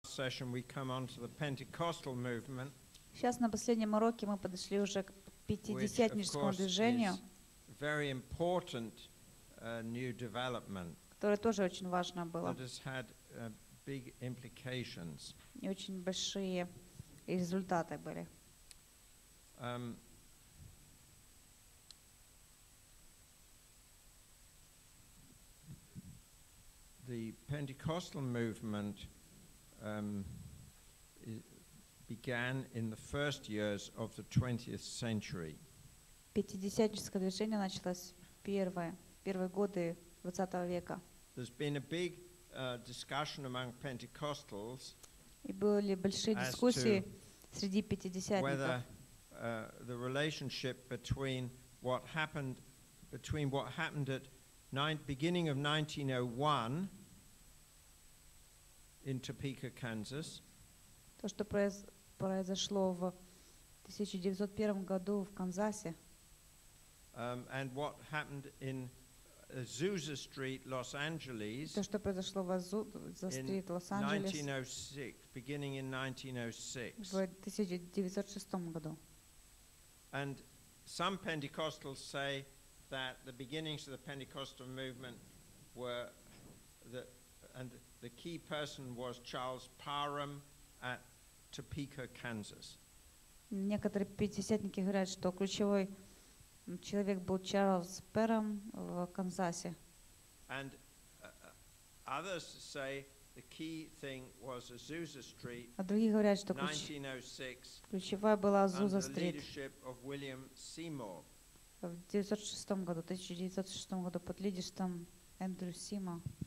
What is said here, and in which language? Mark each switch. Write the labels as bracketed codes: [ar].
[en] session we come on to the Pentecostal movement. [ru] Сейчас на последнем уроке мы подошли уже к пятидесятническому движению. [en] Very important new development. [ru] Которое тоже очень важно было. [en] That has had big implications. [ru] И очень большие результаты были. [en] The Pentecostal movement began in the first years of the 20th century. [ru] Пятидесятническое движение началось первые годы 20 века. [en] There's been a big discussion among Pentecostals. [ru] И были большие дискуссии среди пятидесятников. [en] Whether the relationship between what happened at beginning of 1901 in Topeka, Kansas. [ru] То, что произошло в 1901 году в Канзасе. [en] And what happened in Azusa Street, Los Angeles. [ru] То, что произошло в Азуза Стрит, Лос-Анджелес. [en] 1906, beginning in 1906. [ru] В 1906 году. [en] And some Pentecostals say that the beginnings of the Pentecostal movement were the key person was Charles Parham at Topeka, Kansas. [ru] Некоторые пятидесятники говорят, что ключевой человек был Чарльз Парам в Канзасе. [en] And others say the key thing was Azusa Street. [ru] А другие говорят, что ключевая была Азуза Стрит. [en] Under the leadership of William Seymour. [ru] В 1906 году, 1906 году под лидерством Эндрю Симмор.